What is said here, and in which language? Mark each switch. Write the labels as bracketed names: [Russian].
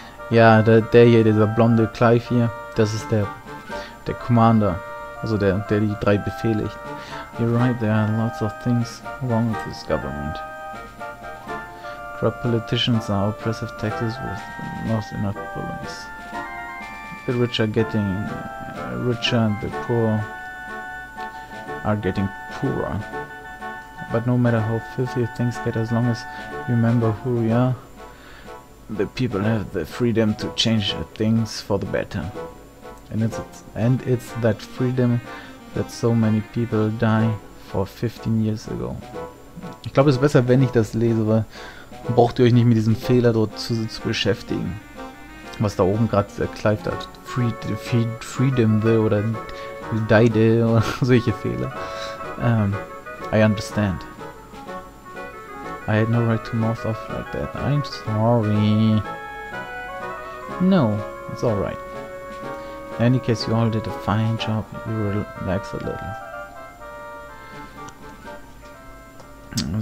[German] Yeah, der hier, dieser blonde Clive hier, das ist der Commander, also der die drei befehligt. [English] You're right, there are lots of things wrong with this government. Corrupt politicians are oppressive taxes with not enough police. The rich are getting richer and the poor are getting poorer. But no matter how filthy things get, as long as you remember who we are, the people have the freedom to change things for the better. And it's that freedom that so many people die for 15 years ago. [German] Ich glaube, es ist besser, wenn ich das lese, weil braucht ihr euch nicht mit diesem Fehler dort zu beschäftigen. Was da oben gerade der Clive hat. [English] Freedom will [German] oder die day oder solche Fehler. [English] I understand. I had no right to mouth off like that. I'm sorry. No, it's alright. In any case, you all did a fine job. You relax a little.